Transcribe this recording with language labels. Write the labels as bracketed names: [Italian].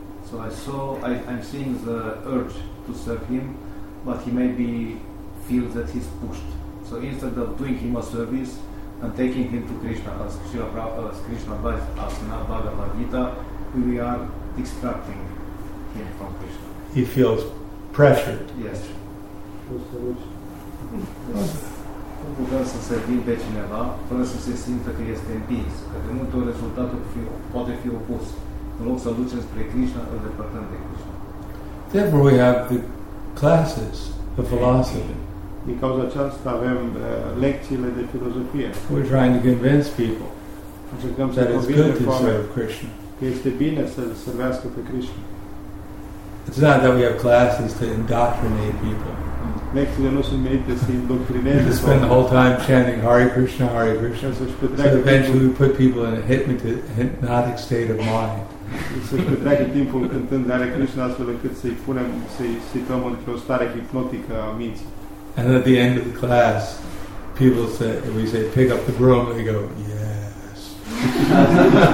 [English] So I'm seeing the urge to serve him, but he maybe feels that he's pushed. So instead of doing him a service, and taking him to Krishna, as Srila Prabhupada, as Krishna advised us in our Bhagavad Gita, we are distracting him from Krishna. He feels pressured. Yes. What's the wish? [Romanian] Nu putem să servim pe cineva fără să se simtă că este împins. Că de multe ori rezultatul poate fi opus. În loc să-l ducem spre Krishna, îl depărtăm de Krishna. [English] Therefore we have the classes of philosophy. [Romanian] Din cauza aceasta avem lecțiile de filozofie. [English] We're trying to convince people that it's good to serve Krishna. [Romanian] Că este bine să servească pe Krishna. [English] It's not that we have classes to indoctrinate people. [Romanian] Lecțiile nu sunt menite să indoctrineze. [English] To spend the whole time chanting Hare Krishna, Hare Krishna. [Romanian] Să [English] so eventually we put people in a hypnotic state of mind. [Romanian] Să-și petreacă timpul cântând Hare Krishna astfel încât să-i situăm într-o stare hipnotică a minții. [English] And at the end of the class, people say, we say, pick up the broom, and they go, yes.